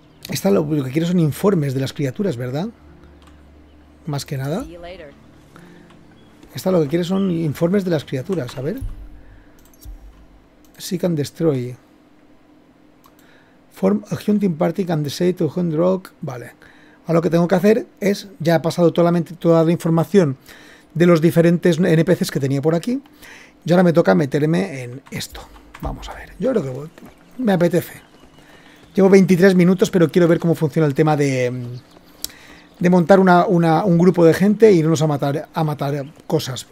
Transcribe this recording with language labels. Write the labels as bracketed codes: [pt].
[es] Está lo que quiero son informes de las criaturas, ¿verdad? Más que nada. Está lo que quiere son informes de las criaturas. A ver. [en] Seek and destroy. Form a hunting party and decide to hunt rock. [es] Vale. Ahora lo que tengo que hacer es... Ya he pasado toda la información de los diferentes NPCs que tenía por aquí. Y ahora me toca meterme en esto. Vamos a ver. Yo creo que me apetece. Llevo 23 minutos, pero quiero ver cómo funciona el tema de montar un grupo de gente y irnos a matar cosas.